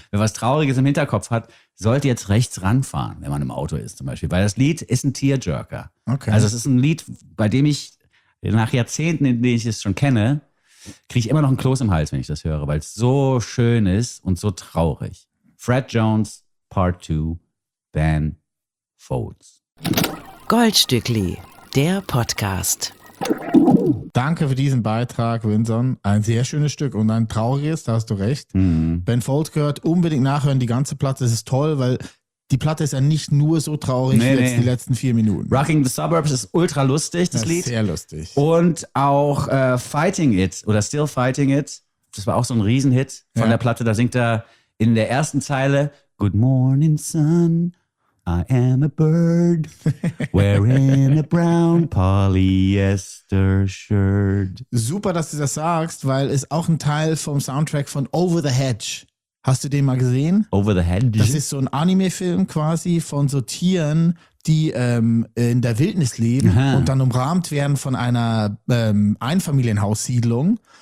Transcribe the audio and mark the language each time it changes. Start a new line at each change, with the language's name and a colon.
German: Wer was Trauriges im Hinterkopf hat, sollte jetzt rechts ranfahren, wenn man im Auto ist zum Beispiel, weil das Lied ist ein Tearjerker. Okay. Also es ist ein Lied, bei dem ich nach Jahrzehnten, in denen ich es schon kenne, kriege ich immer noch ein Kloß im Hals, wenn ich das höre, weil es so schön ist und so traurig. Fred Jones, Part 2, Ben Folds. Goldstückli, der Podcast. Danke für diesen Beitrag, Winson. Ein sehr schönes Stück und ein trauriges, da hast du recht. Mhm. Ben Folds gehört, unbedingt nachhören, die ganze Platte, das ist toll, weil die Platte ist ja nicht nur so traurig wie jetzt die letzten 4 Minuten. Rocking the Suburbs ist ultra lustig, das Lied. Sehr lustig. Und auch Fighting It oder Still Fighting It, das war auch so ein Riesenhit von der Platte. Da singt er in der ersten Zeile
English: Good morning, sun. I am a bird wearing a brown polyester shirt.
German: Super, dass du das sagst, weil es auch ein Teil vom Soundtrack von Over the Hedge. Hast du den mal gesehen? Over the Hedge? Das ist so ein Anime-Film quasi von so Tieren, die in der Wildnis leben und dann umrahmt werden von einer Einfamilienhaussiedlung.